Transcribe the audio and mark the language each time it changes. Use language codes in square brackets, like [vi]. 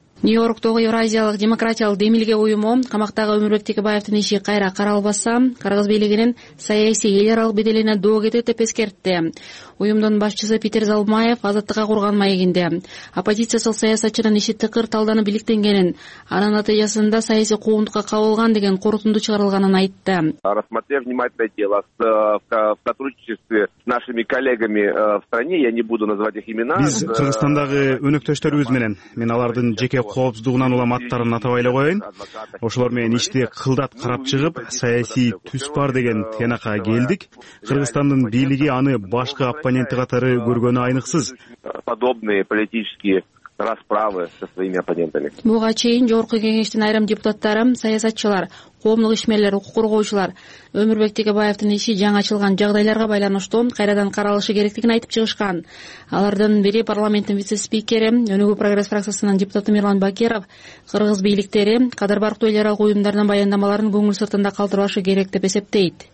[ky] Нью-Йорктогу Евразиялык демократиялык демилге уюму камактагы Өмүрбек Текебаевдин иши кайра каралбаса, кыргыз бийлигинин саясий эл аралык беделине доо кетет деп эскертти. Уюмдун башчысы Питер Залмаев азаттыкка курган маегинде оппозициячыл саясатчынын иши тыкыр талданып иликтенгенин, анын натыйжасында саясий куугунтукка кабылган деген корутунду чыгарылганын айтты. [ru] Рассмотрев внимательно дело в сотрудничестве с нашими коллегами в стране, я не буду называть их имена. [ky] Биз Кыргызстандагы өнөктөштөрүбүз менен, мен алардын жеке коопсуздугунан улам аттарын атабай эле коеюн, ошолор менен ишти кылдат карап чыгып, саясий түс бар деген тыянакка келдик. Кыргызстандын бийлиги аны башка оппоненти катары көргөнү айныксыз. [ru] Подобные политические расправы со своими оппонентами. [ky] Буга чейин Жогорку Кеңештин айрым депутаттары, саясатчылар, коомдук ишмерлер, укук коргоочулар Өмүрбек Текебаевдин иши жаңы ачылган жагдайларга байланыштуу кайрадан каралышы керектигин айтып чыгышкан. Алардын бири парламенттин вице спикери, Өнүгүү Прогресс фракциясынын депутаты Мирлан Бакиров, кыргыз бийликтери кадыр барктуу эл аралык уюмдардын баяндамаларын көңүл сыртында калтырбашы керек деп эсептейт.